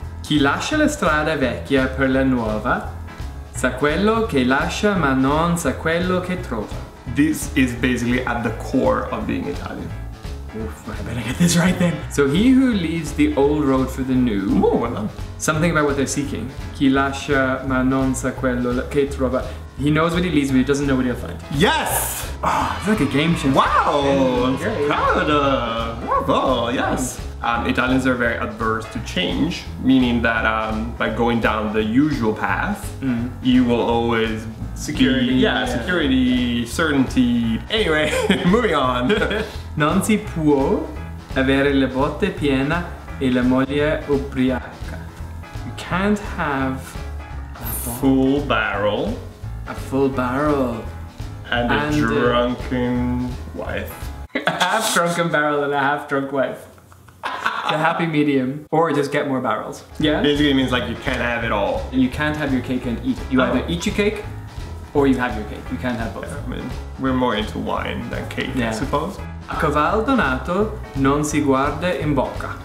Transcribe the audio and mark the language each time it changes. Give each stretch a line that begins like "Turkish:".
Italian: Chi lascia la strada vecchia per la nuova sa quello che lascia ma non sa quello che trova.
English: This is basically at the core of being Italian. Oof, I better get this right then. So he who leaves the old road for the new. Ooh, well done. Something about what they're seeking.
Italian: Chi lascia ma non sa quello che trova.
English: He knows what he leaves, but he doesn't know what he'll find. Yes! Oh, it's like a game show. Wow! Proud of. Oh, yes. Italians are very adverse to change, meaning that by going down the usual path, you will always security, certainty. Anyway, moving on.
Italian: Non si può avere la botte piena e la moglie ubriaca.
English: You can't have a full barrel, and a drunken wife. A half drunken barrel and a half drunk wife. It's a happy medium. Or just get more barrels. Yeah? Basically it means like you can't have it all. You can't have your cake and eat it. You either eat your cake or you have your cake. You can't have both. Yeah, I mean, we're more into wine than cake, yeah. I suppose.
Italian: A caval donato non si guarda in bocca.